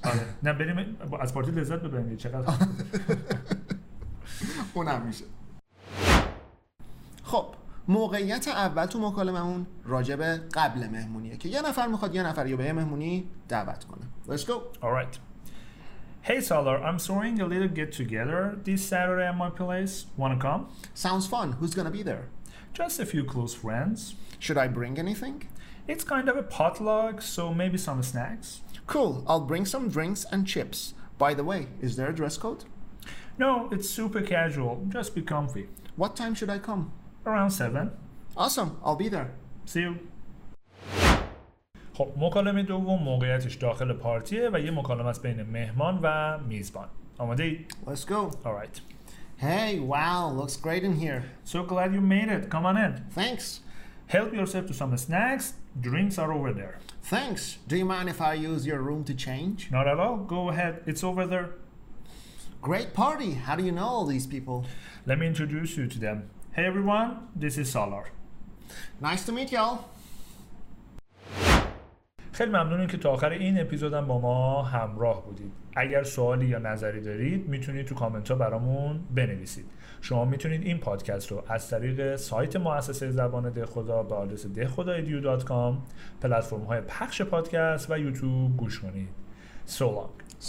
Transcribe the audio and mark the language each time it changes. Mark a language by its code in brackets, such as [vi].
[fa] آره. نه بریم از پارتی لذت ببریم چقدر. اونم میشه. خب موقعیت اول تو مکالممون راجع به قبل مهمونیه که یه نفر میخواد یه نفر رو به یه مهمونی دعوت کنه. [en] Let's go. All right. Hey Salar, I'm throwing a little get together this Saturday at my place. Wanna come? Sounds fun. Who's gonna be there? Just a few close friends. Should I bring anything? It's kind of a potluck, so maybe some snacks. Cool. I'll bring some drinks and chips. By the way, is there a dress code? No, it's super casual. Just be comfy. What time should I come? Around 7. Awesome. I'll be there. See you. [fa] خب مکالمه دوم موقعیتش داخل پارتیه و یه مکالمه است بین مهمان و میزبان. آماده ای؟ [en] Let's go. All right. Hey, wow, looks great in here. So glad you made it. Come on in. Thanks. Help yourself to some snacks. Drinks are over there. Thanks. Do you mind if I use your room to change? Not at all. Go ahead. It's over there. Great party. How do you know all these people? Let me introduce you to them. Hey everyone, this is Salar. Nice to meet y'all. [fa] خیلی ممنونیم که تا آخر این اپیزودم با ما همراه بودید. اگر سوالی یا نظری دارید میتونید تو کامنت ها برامون بنویسید. شما میتونید این پادکست رو از طریق سایت مؤسسه زبان دهخدا به آدرس dehkhodaedu.com، پلتفرم های پخش پادکست و یوتیوب گوش کنید. [en] So long.